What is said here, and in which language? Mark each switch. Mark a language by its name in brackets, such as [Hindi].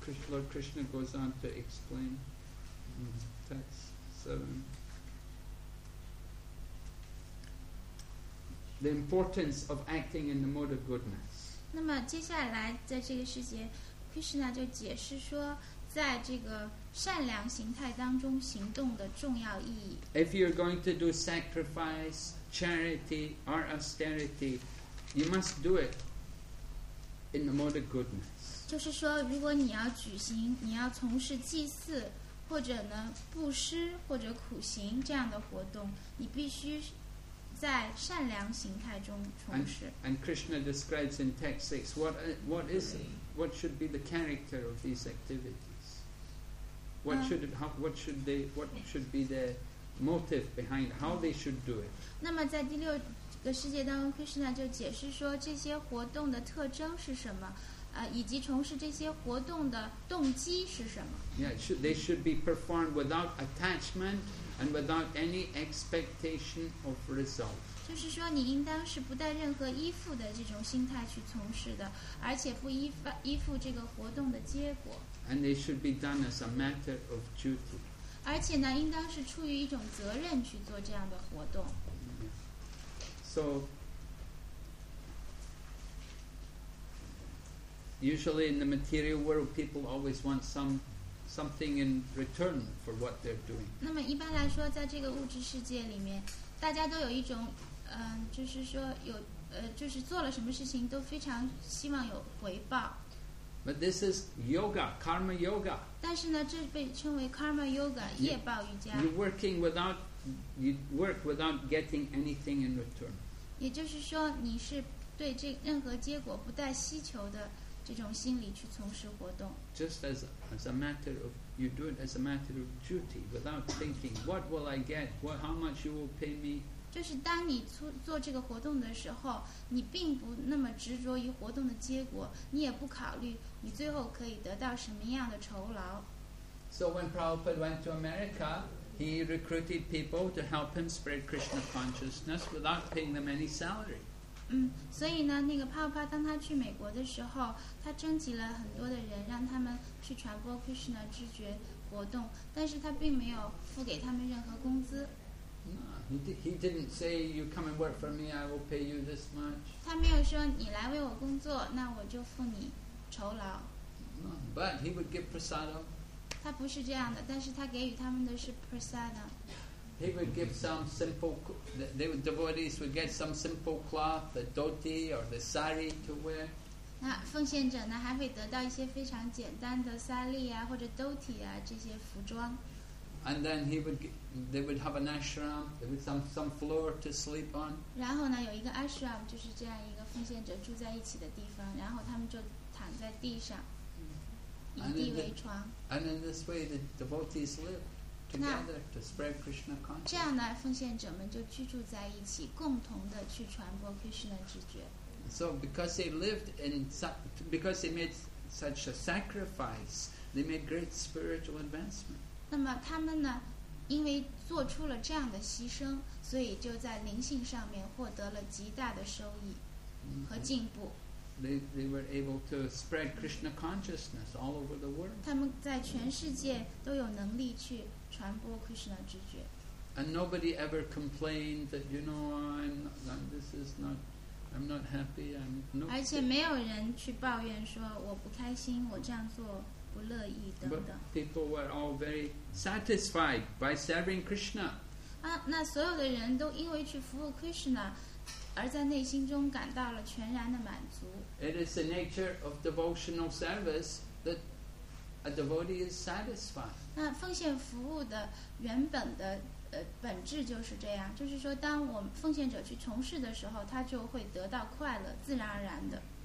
[English] Lord Krishna goes on to explain text 7 the importance of acting in the mode of goodness. [Chinese] 那么接下来在这个世界 ，Krishna 就解释说，在这个善良形态当中行动的重要意义。 [English] If you're going to do sacrifice, charity, or austerity, you must do it in the mode of goodness. [Chinese] 就是说，如果你要举行，你要从事祭祀，或者呢布施或者苦行这样的活动，你必须在善良形态中从事。 [English] And Krishna describes in text 6 what should be the character of these activities? What should be the motive behind how they should do it? [Chinese] 那么在第六个世界当中 ，Krishna 就解释说这些活动的特征是什么。以及从事这些活动的动机是什么 [English] they should be performed without attachment and without any expectation of result. [Chinese] 就是说你应当是不带任何依附的这种心态去从事的，而且不依附这个活动的结果。 [English] And they should be done as a matter of duty. [Chinese] 而且呢，应当是出于一种责任去做这样的活动。 [English] So,Usually in the material world, people always want some something in return for what they're doing. [Chinese] 那么一般来说，在这个物质世界里面，大家都有一种，就是说有，就是做了什么事情都非常希望有回报。 [English] But this is yoga, karma yoga. [Chinese] 但是呢，这被称为 karma yoga, 业报瑜伽。 [English] You working without, you work without getting anything in return. [Chinese] 也就是说，你是对这任何结果不带希求的这种心理去从事活动。 [English] Just as a matter of, you do it as a matter of duty, without thinking, what will I get? What, how much you will pay me? [Chinese] 就是当你做这个活动的时候，你并不那么执着于活动的结果，你也不考虑你最后可以得到什么样的酬劳。 [English] So when Prabhupada went to America, he recruited people to help him spread Krishna consciousness without paying them any salary. [Chinese] 所以呢，那个帕帕当他去美国的时候，他征集了很多的人，让他们去传播 Krishna 知觉活动，但是他并没有付给他们任何工资。 [English] He didn't say, you come and work for me, I will pay you this much. [Chinese] 他没有说你来为我工作，那我就付你酬劳。 [English] But he would give prasadam. [Chinese] 他不是这样的，但是他给予他们的是 prasadam. [English] He would give some simple, the devotees would get some simple cloth, the dhoti or the sari to wear. [Chinese] 那奉献者呢，还会得到一些非常简单的 sari 啊，或者 dhoti 啊，这些服装。 [English] And then he would, they would have an ashram, they would have some floor to sleep on. [Chinese] 然后呢，有一个 ashram 就是这样一个奉献者住在一起的地方，然后他们就躺在地上，以地为床。 [English] And in this way, the devotees live together to spread Krishna consciousness. [Chinese] 这样呢，奉献者们就居住在一起，共同的去传播 Krishna 知觉。 [English] So because they lived in, because they made such a sacrifice, they made great spiritual advancement. [Chinese] 那么他们呢，因为做出了这样的牺牲，所以就在灵性上面获得了极大的收益和进步。 [English] They were able to spread Krishna consciousness all over the world. [Chinese] 他们在全世界都有能力去传播 Krishna 知觉。 [English] And nobody ever complained that, you know, I'm not happy. I'm not. [Chinese] 而且没有人去抱怨说我不开心，我这样做。不乐意等等。 [English] But people were all very satisfied by serving Krishna. [Chinese] 啊，那所有的人都因为去服务 Krishna， 而在内心中感到了全然的满足。 [English] It is the nature of devotional service that a devotee is satisfied. [Chinese] 那奉献服务的原本的本质就是这样，就是说，当我们奉献者去从事的时候，他就会得到快乐，自然而然的。